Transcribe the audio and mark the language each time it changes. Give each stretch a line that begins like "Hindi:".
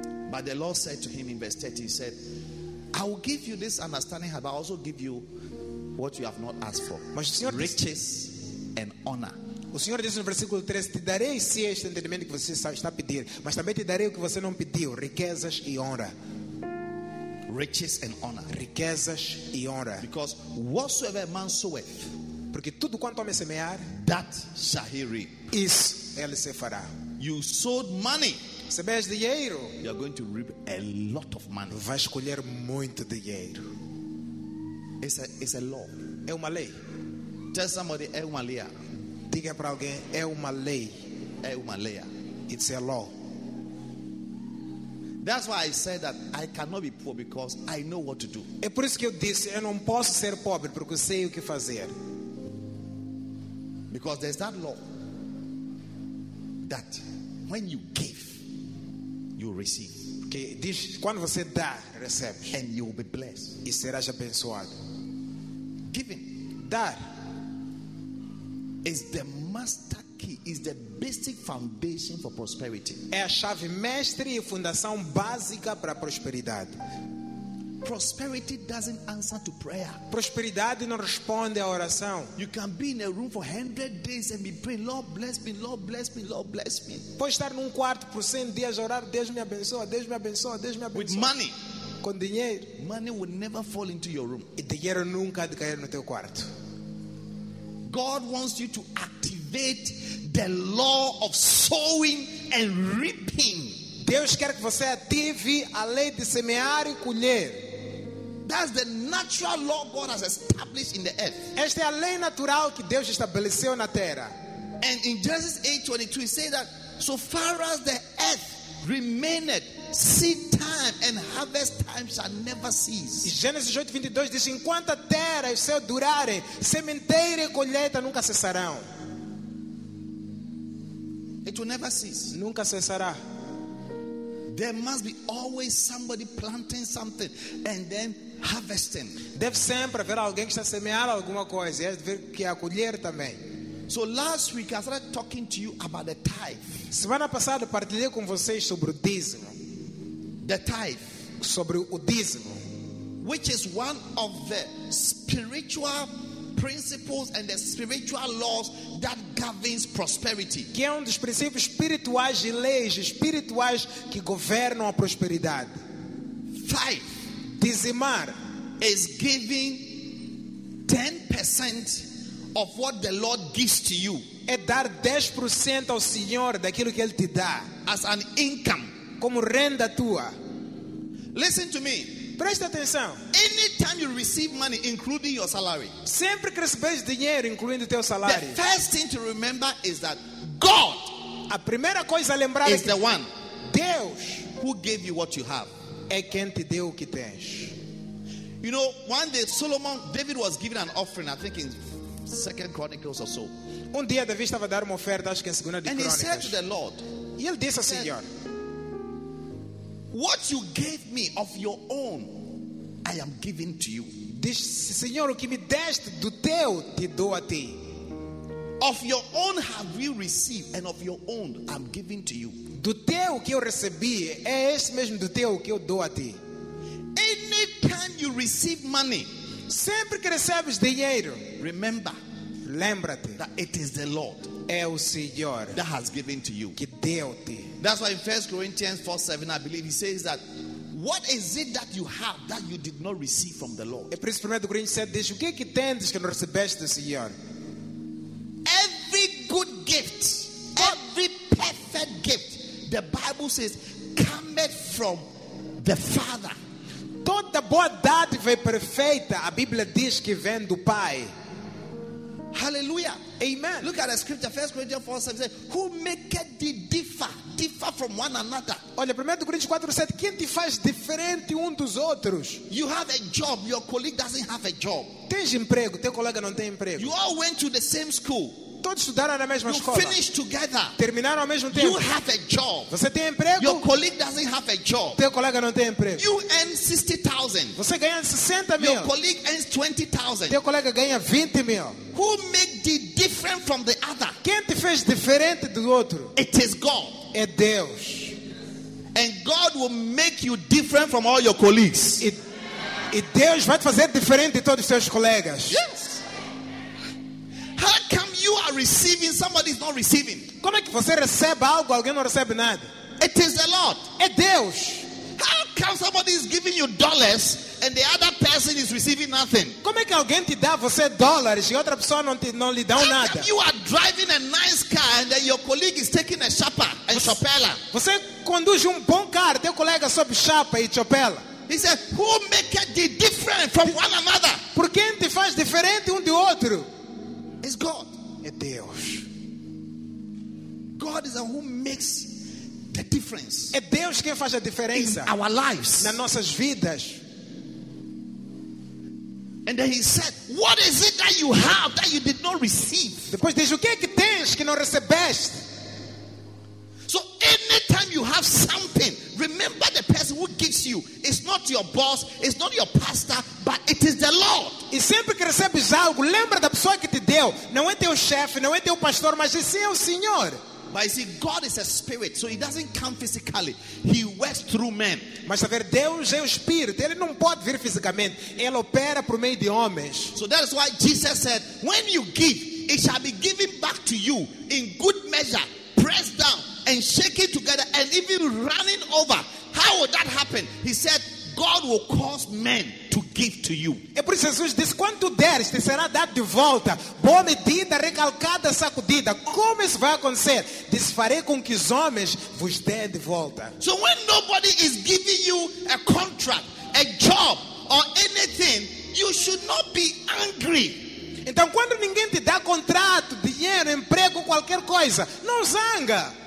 English: But the Lord said to him in verse 30, he said, I will give you this understanding, but I also give you what you have not asked for.
Portuguese: Mas o Senhor
English: riches
Portuguese: disse,
English: and honor.
Portuguese: O Senhor diz no versículo 3, te darei sim este entendimento que você está a pedir, mas também te darei o que você não pediu, riquezas e honra.
English: Riches and honor.
Portuguese: Riquezas e honra.
English: Because whatsoever a man soweth,
Portuguese: porque tudo quanto homem semear,
English: that shall he reap.
Portuguese: Isso ele se fará.
English: You sowed money,
Portuguese: recebes dinheiro,
English: you are going to reap a lot of money.
Portuguese: Vai escolher muito dinheiro.
English: It's a law.
Portuguese: É uma lei.
English: Tell somebody,
Portuguese: é uma lei. Diga para alguém, é uma lei. É uma lei.
English: It's a law. That's why I said that I cannot be poor because I know what to do.
Portuguese: É por isso que eu disse, eu não posso ser pobre porque eu sei o que fazer.
English: Because there's that law that when you give, you receive.
Portuguese: Porque diz, quando você dá, recebe.
English: And you will be blessed.
Portuguese: E serás abençoado.
English: Giving,
Portuguese: dar,
English: is the master key, is the basic foundation for prosperity.
Portuguese: É a chave mestre e fundação básica para a prosperidade.
English: Prosperity doesn't answer to prayer.
Portuguese: Prosperidade não responde à oração.
English: You can be in a room for 100 days and be praying, Lord bless me, Lord bless me, Lord bless me.
Portuguese: Pode estar num quarto por 100 dias orar, Deus me abençoa, Deus me abençoa, Deus me abençoa.
English: With money,
Portuguese: com dinheiro,
English: money will never fall into your room.
Portuguese: E dinheiro nunca de cair no teu quarto.
English: God wants you to activate the law of sowing and reaping.
Portuguese: Deus quer que você ative a lei de semear e colher.
English: That's the natural law God has established in the earth.
Portuguese: Esta é a lei natural que Deus estabeleceu na terra.
English: And in Genesis 8:22, it says that so far as the earth remaineth, seed time and harvest time shall never cease.
Portuguese: Gênesis 8:22 diz, enquanto a terra e o céu durarem, sementeira e colheita nunca cessarão.
English: It will never cease.
Portuguese: Nunca cessará.
English: There must be always somebody planting something and then harvesting.
Portuguese: Deve sempre haver alguém que está a semear alguma coisa e deve que a colher também.
English: So last week I started talking to you about the tithe.
Portuguese: Semana passada partilhei com vocês sobre o dízimo.
English: The tithe,
Portuguese: sobre o dízimo,
English: which is one of the spiritual principles and the spiritual laws that governs prosperity.
Portuguese: Que é dos princípios espirituais e leis espirituais que governam a prosperidade.
English: Tithe,
Portuguese: dizimar,
English: is giving 10% of what the Lord gives to you.
Portuguese: É dar 10% ao Senhor daquilo que ele te dá
English: as an income,
Portuguese: como renda tua.
English: Listen to me.
Portuguese: Preste atenção.
English: Anytime you receive money, including your salary,
Portuguese: sempre que recebes dinheiro, incluindo teu salário,
English: the first thing to remember is that God,
Portuguese: a primeira coisa a lembrar
English: is the one,
Portuguese: Deus,
English: who gave you what you have.
Portuguese: É quem te deu o que tens.
English: You know, one day Solomon, David was given an offering, I think in 2 Chronicles or so.
Portuguese: Um dia Davi estava a dar uma oferta, acho que em 2 Crônicas.
English: And he said to the Lord,
Portuguese: e ele disse ao Senhor,
English: what you gave me of your own, I am giving to you.
Portuguese: Diz, Senhor, o que me deste do teu, te dou a ti.
English: Of your own have you received, and of your own I'm giving to you.
Portuguese: Do teu que eu recebi, é esse mesmo do teu que eu dou a ti.
English: Anytime you receive money,
Portuguese: sempre que recebes dinheiro,
English: remember,
Portuguese: lembra-te,
English: that it is the Lord,
Portuguese: é o Senhor,
English: that has given to you,
Portuguese: que deu a ti.
English: That's why in 1 Corinthians 4, 7, I believe he says that, what is it that you have that you did not receive from the Lord?
Portuguese: É por isso que 1 Corinthians
English: said,
Portuguese: diz, o que é que tens que não recebeste do Senhor?
English: Every good gift, every perfect gift, the Bible says, cometh from the Father.
Portuguese: Toda boa dádiva perfeita, a Bíblia diz que vem do Pai.
English: Hallelujah.
Portuguese: Amen.
English: Look at the scripture, 1 Corinthians 4, 7, who make it differ from one another.
Portuguese: Olha, 1 Coríntios 4, 7, quem te faz diferente um dos outros?
English: You have a job, your colleague doesn't have a job.
Portuguese: Tens emprego, teu colega não tem emprego.
English: You all went to the same school.
Portuguese: Todos estudaram na mesma
English: you
Portuguese: escola.
English: Finish together.
Portuguese: Terminaram ao mesmo tempo.
English: You have a job.
Portuguese: Você tem emprego?
English: Your colleague doesn't have a job.
Portuguese: Teu colega não tem emprego.
English: You earn 60,000.
Portuguese: Você ganha 60 mil.
English: Your colleague earns 20,000.
Portuguese: Teu colega ganha 20 mil.
English: Who make the different from the other?
Portuguese: Quem te fez diferente do outro?
English: It is God.
Portuguese: É Deus.
English: And God will make you different from all your colleagues.
Portuguese: E Deus vai te fazer diferente de todos os seus colegas.
English: Yes. How come you are receiving, somebody is not receiving?
Portuguese: Como é que você recebe algo, alguém não recebe nada?
English: It is the Lord.
Portuguese: É Deus.
English: How come somebody is giving you dollars and the other person is receiving nothing?
Portuguese: Como é que alguém te dá você dólares e outra pessoa não lhe dá nada?
English: You are driving a nice car and then your colleague is taking a chapa and chapela.
Portuguese: Você conduz bom carro, teu colega sobe chapa e chapela.
English: He said, who make it different from one another?
Portuguese: Por quem te faz diferente do outro?
English: It's God.
Portuguese: É Deus.
English: God is the one who makes the difference.
Portuguese: É Deus quem faz a diferença.
English: In our lives.
Portuguese: Nas nossas vidas.
English: And then he said, what is it that you have that you did not receive?
Portuguese: Depois diz, o que é que tens que não recebeste?
English: So anytime you have something, remember the person who gives you. It's not your boss, it's not your pastor, but it is the Lord.
Portuguese: E sempre que recebes algo, lembra da pessoa que te deu. Não é teu chefe, não é teu pastor, mas esse é o Senhor.
English: But you see, God is a spirit, so he doesn't come physically. He works through men.
Portuguese: Mas a ver, Deus é o espírito. Ele não pode vir fisicamente. Ele opera por meio de homens.
English: So that is why Jesus said, when you give, it shall be given back to you in good measure, pressed down and shaking together and even running over. How would that happen? He said, God will cause men to give to you.
Portuguese: É por isso que Jesus disse, quanto deres, te será dado de volta. Boa medida, recalcada, sacudida. Como isso vai acontecer? Diz, farei com que os homens vos dêem de volta.
English: So when nobody is giving you a contract, a job, or anything, you should not be angry.
Portuguese: Então, quando ninguém te dá contrato, dinheiro, emprego, qualquer coisa, não zanga.